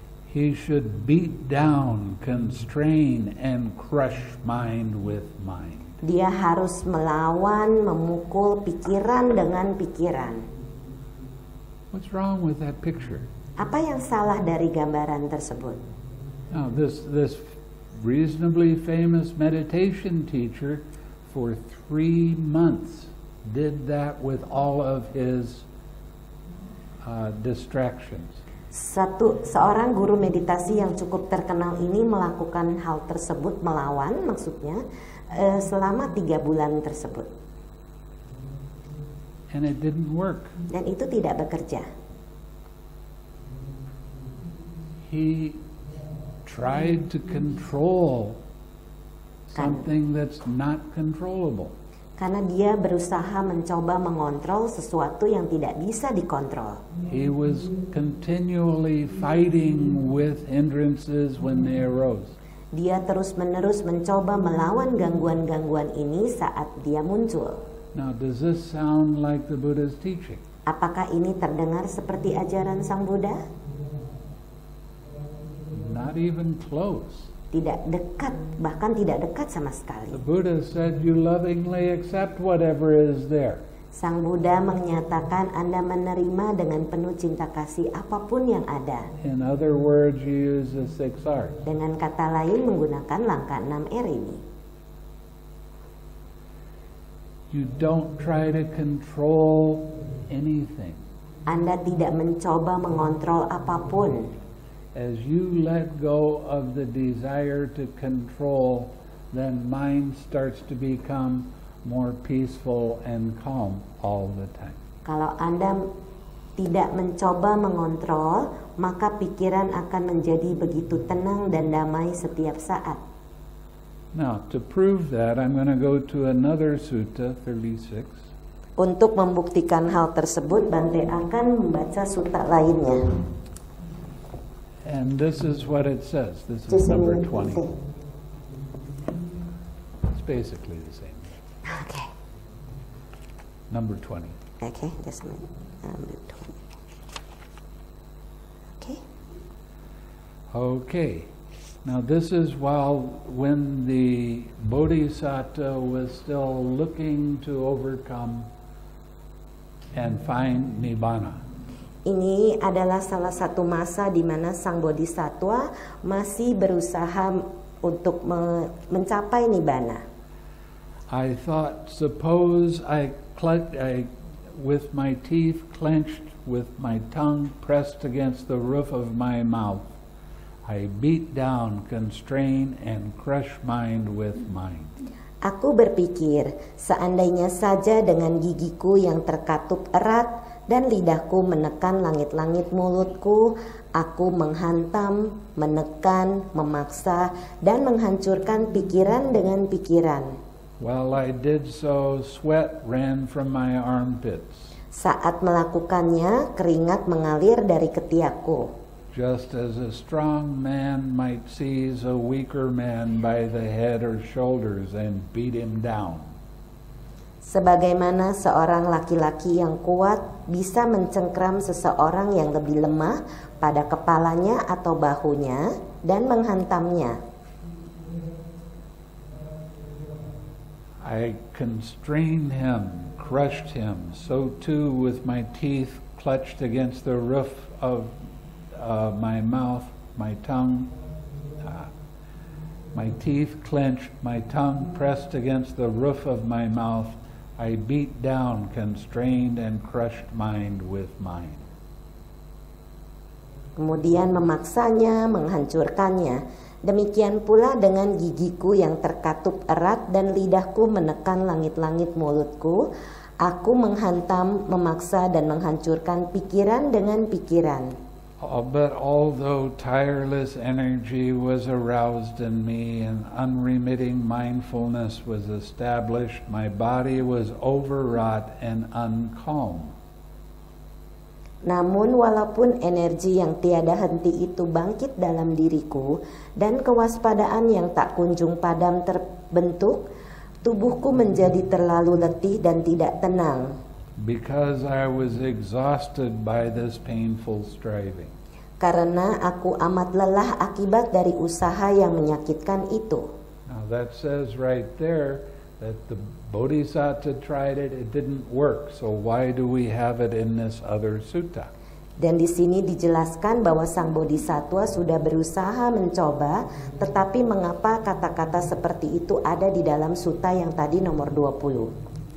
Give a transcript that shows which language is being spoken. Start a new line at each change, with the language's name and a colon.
English: He should beat down, constrain and crush mind with mind.
Indonesian: Dia harus melawan, memukul pikiran dengan pikiran.
English: What's wrong with that picture?
Indonesian: Apa yang salah dari gambaran tersebut?
English: Now, this reasonably famous meditation teacher for 3 months did that with all of his distractions.
Indonesian: Seorang guru meditasi yang cukup terkenal ini melakukan hal tersebut, melawan maksudnya, selama 3 bulan tersebut.
English: And it didn't work.
Indonesian: Dan itu tidak bekerja.
English: He tried to control something that's not controllable.
Indonesian: Karena dia berusaha mencoba mengontrol sesuatu yang tidak bisa dikontrol.
English: He was continually fighting with hindrances when they arose.
Indonesian: Dia terus-menerus mencoba melawan gangguan-gangguan ini saat dia muncul.
English: Now, does this sound like the Buddha's teaching?
Indonesian: Apakah ini terdengar seperti ajaran Sang Buddha?
English: Not even close.
Indonesian: Tidak dekat, bahkan tidak dekat sama sekali.
English: The Buddha said you lovingly accept whatever is there.
Indonesian: Sang Buddha menyatakan Anda menerima dengan penuh cinta kasih apapun yang ada.
English: In other words, you use the 6 R's.
Indonesian: Dengan kata lain, menggunakan langkah 6 R ini.
English: You don't try to control anything.
Indonesian: Anda tidak mencoba mengontrol apapun.
English: As you let go of the desire to control, then mind starts to become more peaceful and calm all the time.
Indonesian: Kalau Anda tidak mencoba mengontrol, maka pikiran akan menjadi begitu tenang dan damai setiap saat.
English: Now, to prove that, I'm going to go to another sutta, 36.
Indonesian: Untuk membuktikan hal tersebut, Bante akan membaca sutta lainnya.
English: And this is what it says. This is number 20. It's basically the same. Okay. Number 20. Okay, just a minute. Number 20. Okay. Okay. Now this is when the Bodhisattva was still looking to overcome and find nibbana.
Indonesian: Ini adalah salah satu masa di mana sang bodhisattva masih berusaha untuk mencapai nibbana.
English: I thought, suppose I with my teeth clenched, with my tongue pressed against the roof of my mouth, I beat down, constrain, and crush mind with mind.
Indonesian: Aku berpikir, seandainya saja dengan gigiku yang terkatup erat dan lidahku menekan langit-langit mulutku, aku menghantam, menekan, memaksa, dan menghancurkan pikiran dengan pikiran.
English: While I did so, sweat ran from my armpits.
Indonesian: Saat melakukannya, keringat mengalir dari ketiakku.
English: Just as a strong man might seize a weaker man by the head or shoulders and beat him down.
Indonesian: Sebagaimana seorang laki-laki yang kuat bisa mencengkram seseorang yang lebih lemah pada kepalanya atau bahunya dan menghantamnya.
English: I constrained him, crushed him, so too with my teeth clutched against the roof of my mouth, my tongue, my teeth clenched, my tongue pressed against the roof of my mouth, I beat down, constrained, and crushed mind with mind.
Indonesian: Kemudian memaksanya, menghancurkannya. Demikian pula dengan gigiku yang terkatup erat dan lidahku menekan langit-langit mulutku, aku menghantam, memaksa, dan menghancurkan pikiran dengan pikiran.
English: But although tireless energy was aroused in me and unremitting mindfulness was established, my body was overwrought and uncalm.
Indonesian: Namun walaupun energi yang tiada henti itu bangkit dalam diriku dan kewaspadaan yang tak kunjung padam terbentuk, tubuhku menjadi terlalu letih dan tidak tenang.
English: Because I was exhausted by this painful striving.
Indonesian: Karena aku amat lelah akibat dari usaha yang menyakitkan itu.
English: Now that says right there that the Bodhisattva tried it, it didn't work. So why do we have it in this other sutta?
Indonesian: Dan di sini dijelaskan bahwa sang Bodhisattva sudah berusaha mencoba, tetapi mengapa kata-kata seperti itu ada di dalam sutta yang tadi nomor 20?